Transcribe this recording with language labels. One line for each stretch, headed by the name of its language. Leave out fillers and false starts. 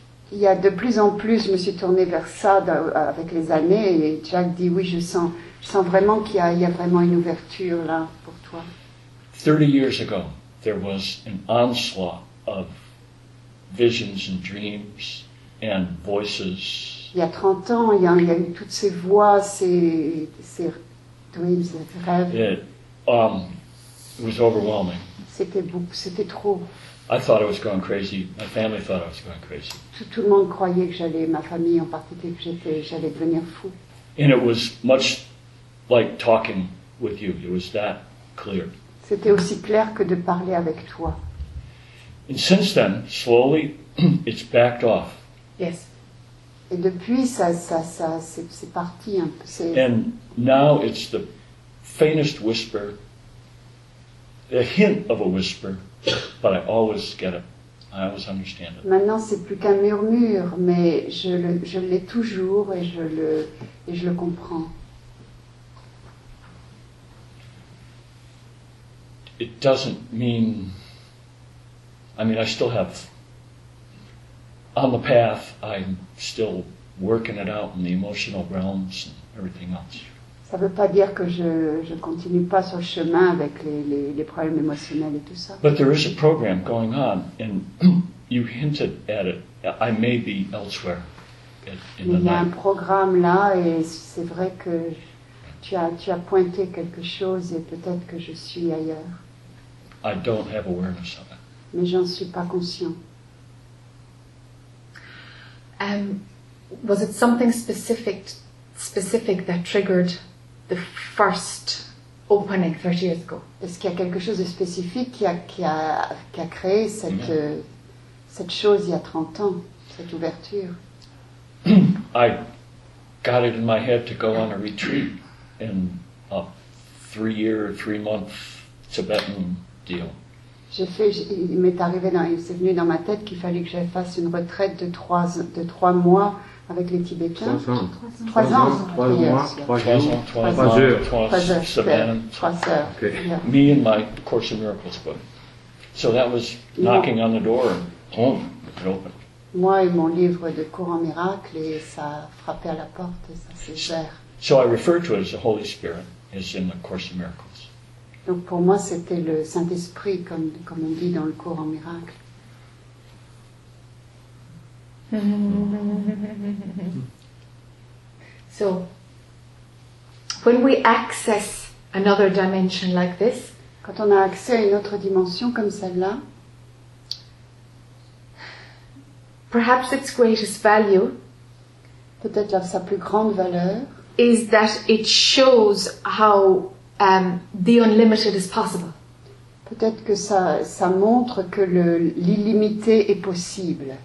French: Il y a de plus en plus, je me suis tournée vers ça avec les années. Et Jack dit oui, je sens vraiment qu'il y a vraiment une ouverture là pour toi.
English: 30 years ago, there was an onslaught of visions and dreams and voices.
French: Il y a 30 ans, il y a eu toutes ces voix, ces dreams, ces rêves.
English: It was overwhelming.
French: C'était trop.
English: I thought I was going crazy. My family thought I was going crazy.
French: Tout le monde croyait que j'allais, ma famille en particulier, que j'allais devenir fou.
English: And it was much like talking with you. It was that clear.
French: C'était aussi clair que de parler avec toi.
English: And since then, slowly, it's backed off. Yes.
French: Et depuis, ça c'est parti un peu.
English: And now it's the faintest whisper, a hint of a whisper, but I always get it. I always understand it.
French: Maintenant, c'est plus qu'un murmure, mais je l'ai toujours et je le comprends.
English: It doesn't mean. I mean, I still have. On the path, I'm still working it out in the emotional realms and everything else.
French: Ça veut pas dire que je continue pas sur le chemin avec les problèmes émotionnels et tout ça.
English: But there is a program going on, and you hinted at it. I may be elsewhere.
French: Il y a un programme là, et c'est vrai que tu as pointé quelque chose, et peut-être que je suis ailleurs.
English: I don't have awareness of it.
French: Mais j'en suis pas conscient.
English: Was it something specific that triggered the first opening 30 years ago.
French: Est-ce qu'il y a quelque chose de spécifique qui a créé cette cette chose il y a 30 ans, cette ouverture?
English: I got it in my head to go on a retreat in a three-month Tibetan deal.
French: Il m'est arrivé dans, il s'est venu dans ma tête qu'il fallait que je fasse une retraite de trois mois avec les Tibétains. Trois ans.
English: Me and my Course in Miracles book. So that was knocking on the door and boom, it opened.
French: Moi et mon livre de Cours en Miracles, et ça frappait à la porte et ça s'est ouvert.
English: So I refer to it as the Holy Spirit is in the Course in Miracles.
French: Donc pour moi, c'était le Saint-Esprit, comme on dit dans le cours en miracle.
English: So, when we access another dimension like this,
French: quand on a accès à une autre dimension comme celle-là,
English: perhaps its greatest value,
French: peut-être sa plus grande valeur,
English: is that it shows how the unlimited is possible.
French: Peut-être que ça montre que l'illimité est possible.